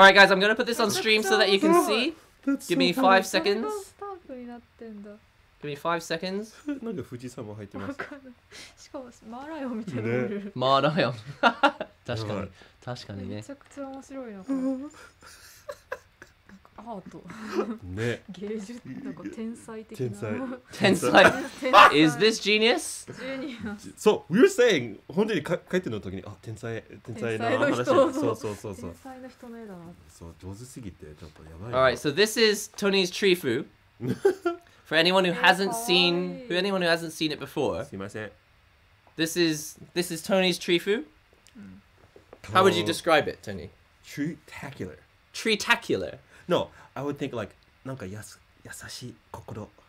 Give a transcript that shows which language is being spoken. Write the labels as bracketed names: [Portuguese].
[English] right, guys. I'm gonna put this on stream so that you can see. Give me 5 seconds. Give me 5 seconds. [Japanese] なんか富士山も入ってます。しかもマーライオンみたいな。マーライオン。確かに確かにね。めちゃくちゃ面白いな。アート。ね。芸術なんか天才的な。天才。 [English] 天才。Is this genius? Genius. [Japanese] So we were saying 本当に書いてるの時にあ天才天才な話。天才の人。そうそうそうそう。天才の人の絵だな。そう上手すぎてちょっとやばい。 [English] All right, so this is Tony's tree foo. For anyone who hasn't seen, for anyone who hasn't seen it before. [Japanese] すいません。 [English] This is Tony's tree foo. How would you describe it, Tony? Tree-tacular. Tree-tacular. No, I would think like, なんか優しい心。